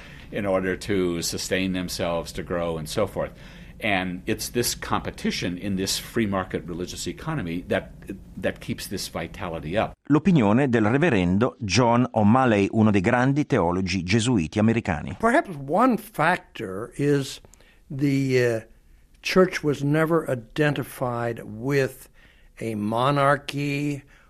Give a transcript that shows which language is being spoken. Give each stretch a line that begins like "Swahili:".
English: In order to sustain themselves, to grow and so forth. And it's this competition in this free market religious economy that keeps this vitality up.
Italian: L'opinione del reverendo John O'Malley, uno dei grandi teologi gesuiti americani.
English: Perhaps one factor is the church was never identified with a monarchy.